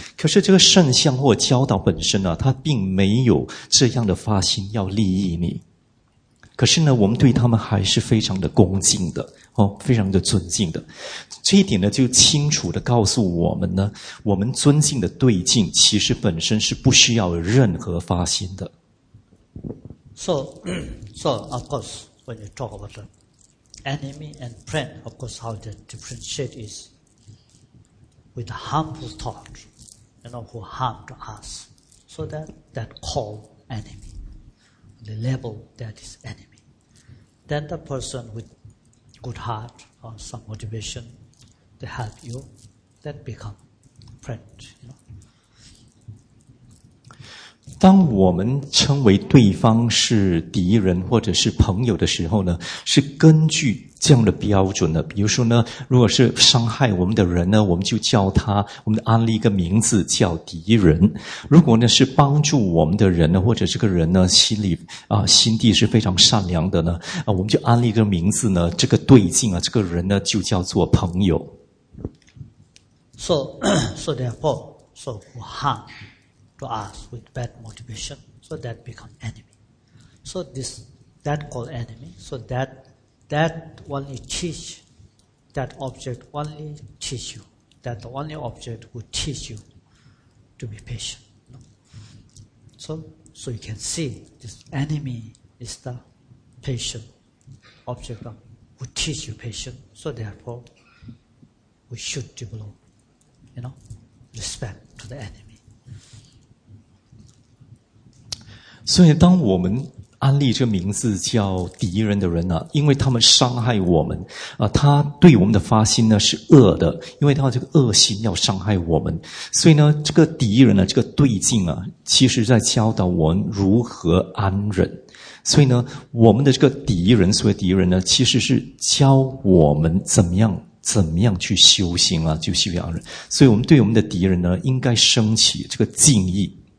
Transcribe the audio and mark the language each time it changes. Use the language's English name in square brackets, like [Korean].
[Chinese] 可是这个圣像或教导本身呢，它并没有这样的发心要利益你。可是呢，我们对他们还是非常的恭敬的，非常的尊敬的。这一点呢，就清楚地告诉我们呢，我们尊敬的对境其实本身是不需要任何发心的。 [English] So of course, when you talk about the enemy and friend, of course, how they differentiate is with the harmful thought, you know, who harmed us, so that call enemy. The level that is enemy. Then the person with good heart or some motivation to help you, that become friend. You know? [Chinese] 当我们称为对方是敌人或者是朋友的时候呢，是根据这样的标准的。比如说呢，如果是伤害我们的人呢，我们就叫他，我们安立一个名字叫敌人。如果呢是帮助我们的人呢，或者这个人呢心里心地是非常善良的呢，我们就安立一个名字呢，这个对境啊，这个人呢就叫做朋友。 [English] So therefore, so who harm to us with bad motivation, so that become enemy. So this that called enemy. So that. That only teach, that object only teach you, that the only object will teach you to be patient. No? So you can see this enemy is the patient object who teach you patient. So therefore, we should develop, you know, respect to the enemy. [Chinese] 所以当我们安利这名字叫敌人的人因为他们伤害我们他对我们的发心呢是恶的，因为他这个恶心要伤害我们，所以呢这个敌人呢这个对境其实在教导我们如何安忍，所以呢我们的这个敌人，所谓敌人呢其实是教我们怎么样去修行就修行安忍，所以我们对我们的敌人呢应该升起这个敬意。